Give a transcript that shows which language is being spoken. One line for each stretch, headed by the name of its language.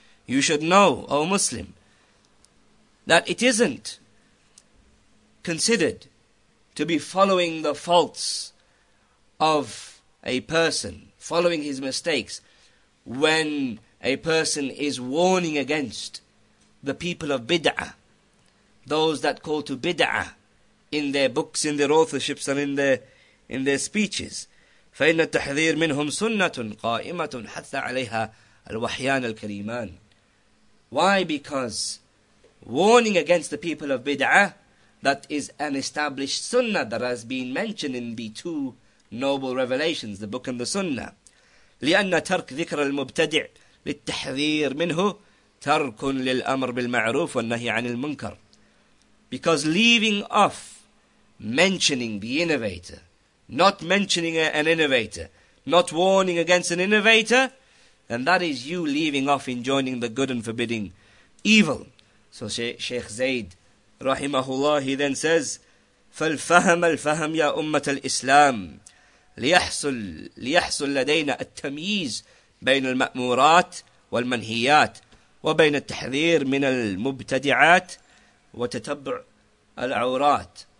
English: You should know, O Muslim, that it isn't considered to be following the faults of a person, following his mistakes, when a person is warning against the people of bid'ah, those that call to bid'ah in their books, in their authorships, and in their speeches.
Arabic: فإن التحذير منهم سنة قائمة حث عليها الوحيان الكريمان.
English: Why? Because warning against the people of bid'ah, that is an established sunnah that has been mentioned in the two noble revelations, the book and the sunnah.
Arabic: لأن ترك ذكر المبتدع للتحذير منه ترك للأمر بالمعروف والنهي عن المنكر.
English: Because leaving off mentioning the innovator, not mentioning an innovator, not warning against an innovator, then that is you leaving off enjoining the good and forbidding evil. So Shaykh Zayd rahimahullah, he then says,
Arabic: فالفهم الفهم يا أمة الإسلام ليحصل لدينا التمييز بين المأمورات والمنهيات وبين التحذير من المبتدعات وتتبع العورات.